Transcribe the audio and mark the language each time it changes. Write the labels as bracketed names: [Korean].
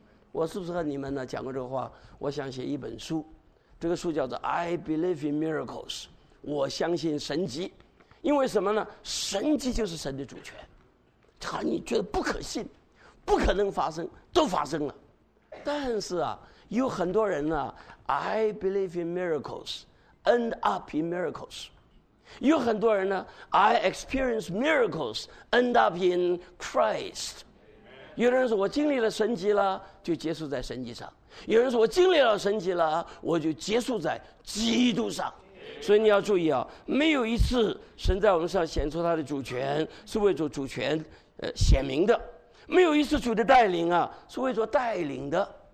[Chinese] 我是不是和你们呢讲过这个话？我想写一本书，这个书叫做 [English] I believe in miracles， [Chinese] 我相信神迹。因为什么呢？神迹就是神的主权，你觉得不可信不可能发生都发生了。但是啊，有很多人呢 [English] I believe in miracles [Chinese] end up in miracles， 有很多人呢 [English] I experience miracles end up in Christ。 [Chinese] 有的人说我经历了神迹了就结束在神迹上，有人说我经历了神迹了我就结束在基督上。所以你要注意啊，没有一次神在我们身上显出他的主权是为着主权显明的，没有一次主的带领啊是为着带领的。